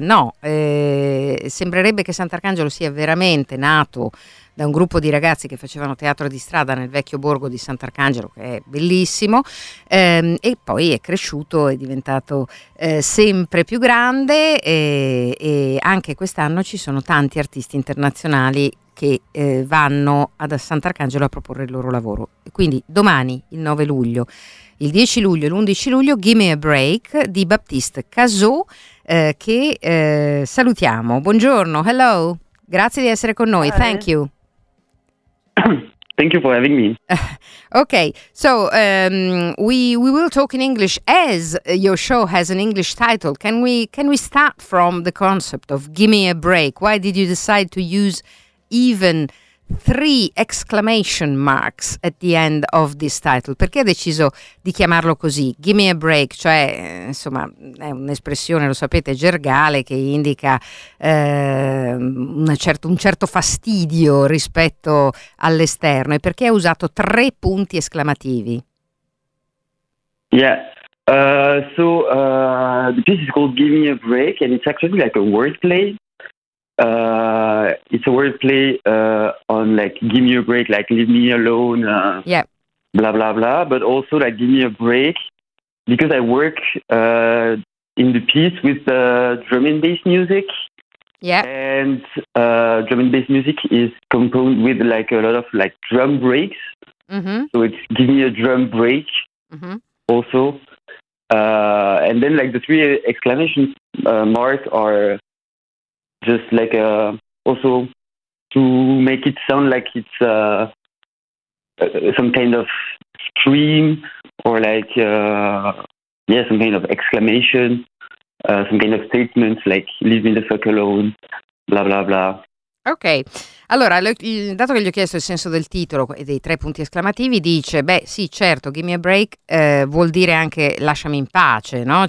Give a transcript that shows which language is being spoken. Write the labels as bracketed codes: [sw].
[it] No, sembrerebbe che Sant'Arcangelo sia veramente nato da un gruppo di ragazzi che facevano teatro di strada nel vecchio borgo di Sant'Arcangelo, che è bellissimo, e poi è cresciuto, è diventato sempre più grande, e anche quest'anno ci sono tanti artisti internazionali che vanno ad Sant'Arcangelo a proporre il loro lavoro. Quindi domani, il 9 luglio, il 10 luglio e l'11 luglio, Give Me a Break di Baptiste Caso, che salutiamo. Buongiorno, hello, grazie di essere con noi. Hi. [en] Thank you. Thank you for having me. Okay, so we will talk in English, as your show has an English title. Can we start from the concept of Give Me a Break? Why did you decide to use even 3 exclamation marks at the end of this title? [it] Perché hai deciso di chiamarlo così? Give me a break, cioè insomma è un'espressione, lo sapete, gergale, che indica un certo fastidio rispetto all'esterno. E perché hai usato 3 punti esclamativi? [en] Yeah, so the piece is called Give Me a Break, and it's actually like a wordplay. It's a wordplay on like give me a break, like leave me alone, yeah, blah blah blah, but also like give me a break because I work in the piece with the drum and bass music, yeah, and drum and bass music is composed with like a lot of like drum breaks, mm-hmm. So it's give me a drum break, mm-hmm. Also and then like the 3 exclamation marks are just like also to make it sound like it's some kind of scream or like some kind of exclamation, some kind of statement like leave me the fuck alone, blah blah blah. [it] Ok, allora, dato che gli ho chiesto il senso del titolo e dei 3 punti esclamativi, dice, beh sì, certo, give me a break vuol dire anche lasciami in pace, no?